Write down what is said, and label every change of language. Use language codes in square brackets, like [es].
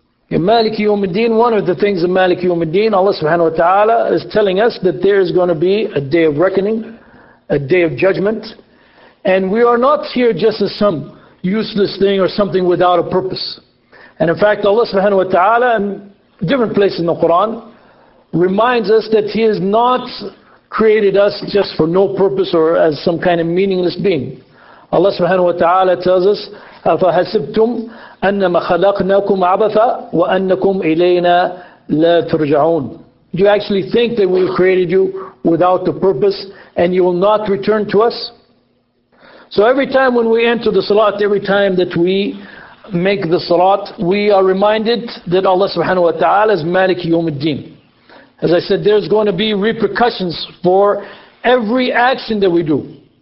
[en] In Malik Yawm al-Din, one of the things in Malik Yawm al-Din, Allah subhanahu wa ta'ala is telling us that there is going to be a day of reckoning, a day of judgment, and we are not here just as some useless thing or something without a purpose. And in fact, Allah subhanahu wa ta'ala, in different places in the Quran, reminds us that He has not created us just for no purpose or as some kind of meaningless being. [ar] Allah subhanahu wa ta'ala tells us, أَفَحَسِبْتُمْ أَنَّمَا خَلَقْنَاكُمْ عَبَثًا وَأَنَّكُمْ إِلَيْنَا لَا تُرْجَعُونَ. [en] Do you actually think that we created you without a purpose and you will not return to us? So every time when we enter the salat, every time that we make the salat, we are reminded that Allah subhanahu wa ta'ala is Malik Yawm al-Din. As I said, there's going to be repercussions for every action that we do.